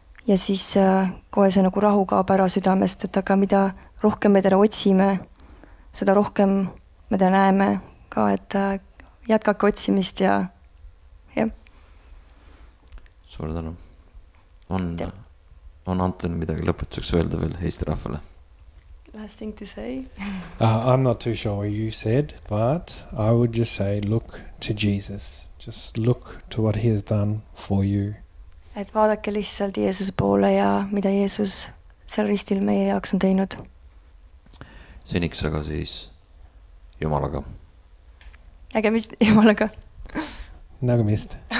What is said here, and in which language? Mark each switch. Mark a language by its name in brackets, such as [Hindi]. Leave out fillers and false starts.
[Estonian] Ja siis kohe see nagu rahu kaab ära südamest, et aga mida rohkem me teda otsime, seda rohkem me teda näeme ka, et jätkake otsimist ja jah. Suur tänu. On Anton midagi lõpetuseks öelda veel Eesti rahvale? [English] Last thing to say. I'm not too sure what you said, but I would just say look to Jesus. Just look to what he has done for you. [Estonian] Et vaadake lihtsalt Jeesuse poole ja mida Jeesus seal ristil meie jaoks on teinud. Seniks aga siis Jumalaga. Nägemist Jumalaga. Nägemist.